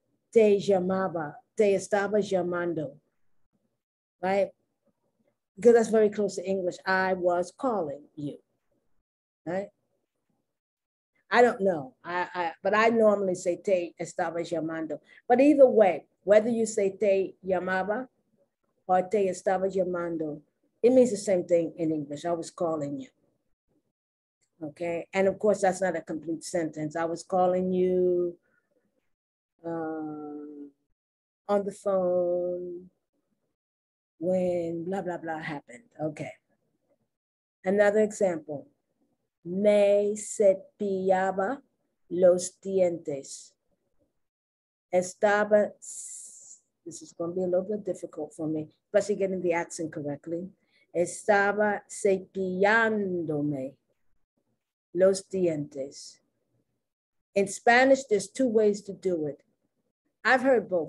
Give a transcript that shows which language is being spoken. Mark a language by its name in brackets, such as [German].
[Spanish] Te llamaba, te estaba llamando, [English] right? Because that's very close to English. I was calling you, right? I don't know, but I normally say [Spanish] te estaba llamando. [English] But either way, whether you say [Spanish] te llamaba [English] or [Spanish] te estaba llamando, [English] it means the same thing in English. I was calling you, okay? And of course, that's not a complete sentence. I was calling you on the phone when blah, blah, blah happened, okay. Another example. [Spanish] Me cepillaba los dientes. [English] Estaba, this is going to be a little bit difficult for me, especially getting the accent correctly. [Spanish] Estaba cepillándome los dientes. [English] In Spanish, there's two ways to do it. I've heard both.